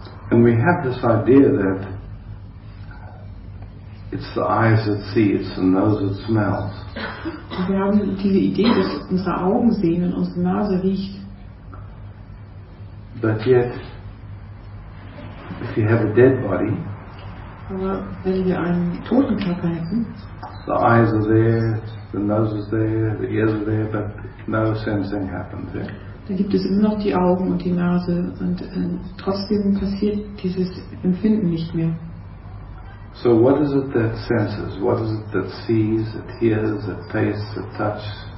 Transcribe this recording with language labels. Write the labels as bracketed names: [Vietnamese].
[English] And we have this idea that it's the eyes that see, it's the nose that smells. [German] Und wir haben diese Idee, dass unsere Augen sehen und unsere Nase riecht. [English] But yet, if you have a dead body, [German] aber wenn wir einen toten Körper hätten. [English] The eyes are there, the nose is there, the ears are there, but no sensing happens. Yeah? [German] Da gibt es immer noch die Augen und die Nase und trotzdem passiert dieses Empfinden nicht mehr. [English] So what is it that senses? What is it that sees, that hears, that tastes, that touches?